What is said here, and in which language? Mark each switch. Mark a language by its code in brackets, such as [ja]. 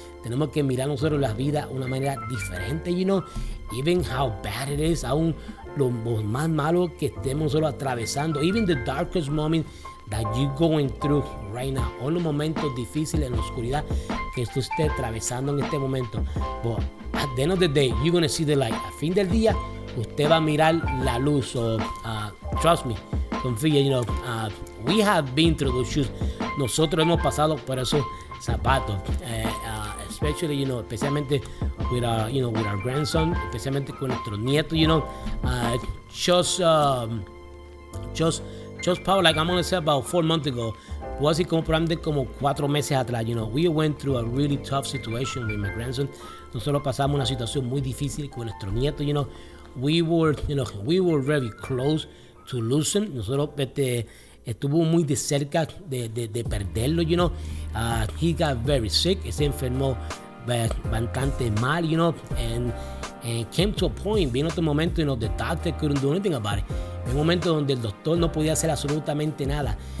[es] Tenemos que mirar nosotros la vida una manera diferente, [en] you know, even how bad it is, [es] aún lo más malo que estemos nosotros atravesando, [en] even the darkest moment that you're going through right now, all the [es] momentos difíciles en la oscuridad que usted atravesando en este momento. [en] But at the end of the day, you're going to see the light. [es] A fin del día, usted va a mirar la luz. [en] So, trust me, [es] confía, [en] you know, we have been through those shoes. [es] Nosotros hemos pasado por esos zapatos. [en] Especially, you know, [es] especialmente [en] with our, you know, with our grandson, [es] especialmente con nuestro nieto, you know. [en] Just probably like I'm going to say about 4 months ago, was it [es] como probablemente como 4 meses atrás, [en] you know, we went through a really tough situation with my grandson. [es] Nosotros pasamos una situación muy difícil con nuestro nieto, [en] you know. We were very close to losing. [es] Nosotros estuvo muy de cerca de perderlo, [en] you know. He got very sick. [es] Se enfermó bastante mal, [en] you know, and came to a point, [es] vino otro momento, [en] you know, the doctor couldn't do anything about it. [es] Un momento donde el doctor no podía hacer absolutamente nada.